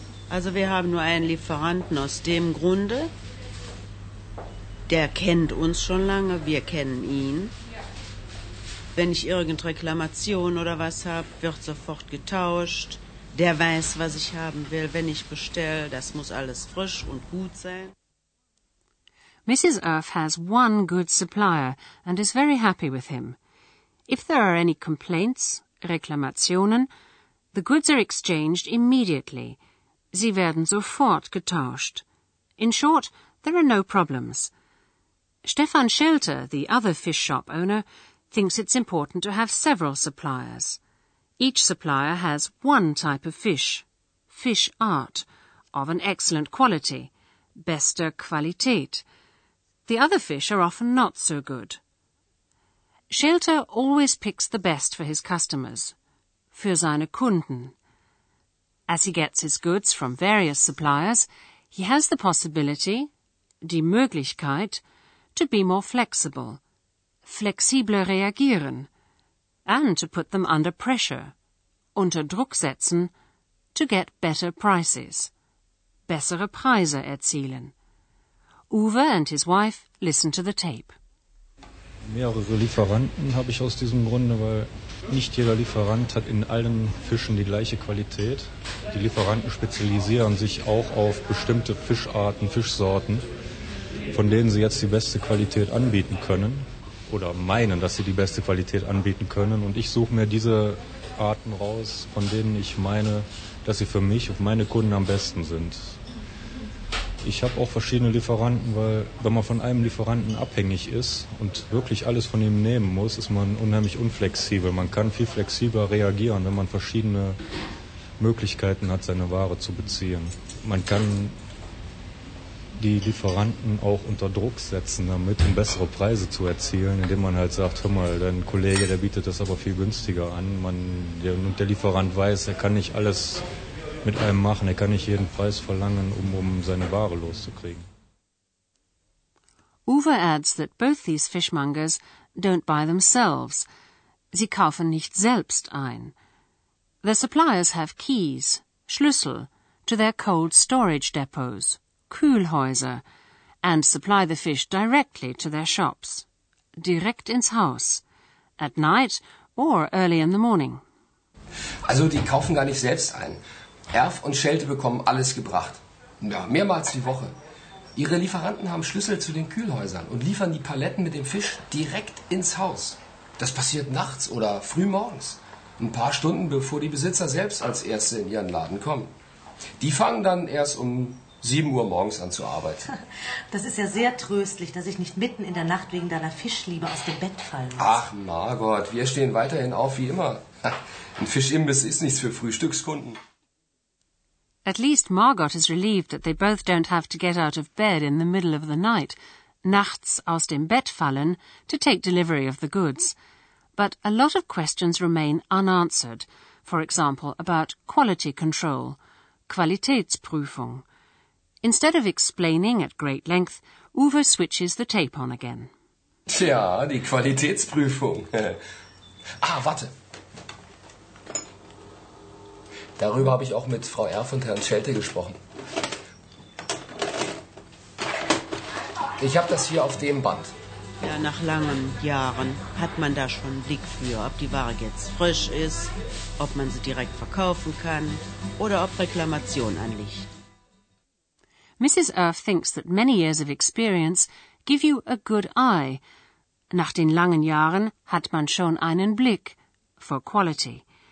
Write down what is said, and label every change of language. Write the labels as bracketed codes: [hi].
[de] Also, wir haben nur einen Lieferanten aus dem Grunde, der kennt uns schon lange, wir kennen ihn. Wenn ich irgendeine Reklamation oder was habe, wird sofort getauscht. Der weiß, was ich haben will, wenn ich bestelle. Das muss alles frisch und gut sein. [en] Mrs. Erf has one good supplier and is very happy with him. If there are any complaints, Reklamationen, the goods are exchanged immediately. [de] Sie werden sofort getauscht. [en] In short, there are no problems. Stefan Schelter, the other fish shop owner, thinks it's important to have several suppliers. Each supplier has one type of fish, fish art, of an excellent quality, [de] beste Qualität. [en] The other fish are often not so good. Schelter always picks the best for his customers, [de] für seine Kunden. [en] As he gets his goods from various suppliers, he has the possibility, [de] die Möglichkeit, [en] to be more flexible. [de] Flexibler reagieren, [en] and to put them under pressure, [de] unter Druck setzen, [en] to get better prices, [de] bessere Preise erzielen. [en] Uwe and his wife listen to the tape. [de] Mehrere Lieferanten habe ich aus diesem Grunde, weil nicht jeder Lieferant hat in allen Fischen die gleiche Qualität. Die Lieferanten spezialisieren sich auch auf bestimmte Fischarten, Fischsorten, von denen sie jetzt die beste Qualität anbieten können oder meinen, dass sie die beste Qualität anbieten können. Und ich suche mir diese Arten raus, von denen ich meine, dass sie für mich und meine Kunden am besten sind. Ich habe auch verschiedene Lieferanten, weil wenn man von einem Lieferanten abhängig ist und wirklich alles von ihm nehmen muss, ist man unheimlich unflexibel. Man kann viel flexibler reagieren, wenn man verschiedene Möglichkeiten hat, seine Ware zu beziehen. Man kann die Lieferanten auch unter Druck setzen damit, um bessere Preise zu erzielen, indem man halt sagt, hör mal, dein Kollege, der bietet das aber viel günstiger an. Der Lieferant weiß, er kann nicht alles mit einem machen, er kann nicht jeden Preis verlangen, um seine Ware loszukriegen. [en] Uwe adds that both these fishmongers don't buy themselves. [de] Sie kaufen nicht selbst ein. [en] Their suppliers have keys, Schlüssel, to their cold storage depots, Kühlhäuser, and supply the fish directly to their shops, [de] direkt ins Haus, [en] at night or early in the morning. [de] Also die kaufen gar nicht selbst ein. Erf und Schelte bekommen alles gebracht. Ja, mehrmals die Woche. Ihre Lieferanten haben Schlüssel zu den Kühlhäusern und liefern die Paletten mit dem Fisch direkt ins Haus. Das passiert nachts oder frühmorgens. Ein paar Stunden, bevor die Besitzer selbst als Erste in ihren Laden kommen. Die fangen dann erst um 7 Uhr morgens an zu arbeiten. Das ist ja sehr tröstlich, dass ich nicht mitten in der Nacht wegen deiner Fischliebe aus dem Bett fallen muss. Ach Margot, wir stehen weiterhin auf wie immer. Ein Fischimbiss ist nichts für Frühstückskunden. [en] At least Margot is relieved that they both don't have to get out of bed in the middle of the night, [de] nachts aus dem Bett fallen, [en] to take delivery of the goods. But a lot of questions remain unanswered, for example, about quality control, Qualitätsprüfung. Instead of explaining at great length, Uwe switches the tape on again. [de] Tja, die Qualitätsprüfung. Ah, warte. Darüber habe ich auch mit Frau Erf und Herrn Schelte gesprochen. Ich habe das hier auf dem Band. Ja, nach langen Jahren hat man da schon einen Blick für, ob die Ware jetzt frisch ist, ob man sie direkt verkaufen kann oder ob Reklamation anliegt. [en] Mrs. Erf thinks that many years of experience give you a good eye. [de] Nach den langen Jahren hat man schon einen Blick [en] for quality.